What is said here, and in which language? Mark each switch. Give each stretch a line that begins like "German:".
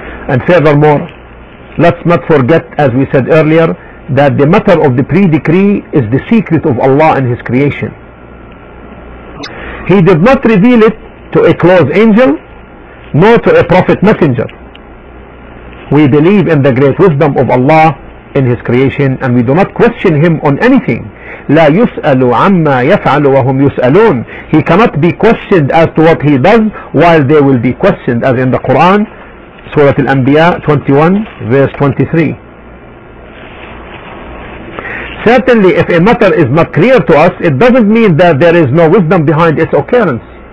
English: And furthermore, let's not forget, as we said earlier, that the matter of the pre-decree is the secret of Allah and his creation. He did not reveal it to a close angel nor to a prophet messenger. We believe in the great wisdom of Allah in his creation, and we do not question him on anything.
Arabic: لا يسأل عما يفعل وهم يسألون.
English: He cannot be questioned as to what he does while they will be questioned, as in the Quran, Surah Al-Anbiya 21 verse 23. Certainly, if a matter is not clear to us, it doesn't mean that there is no wisdom behind its occurrence.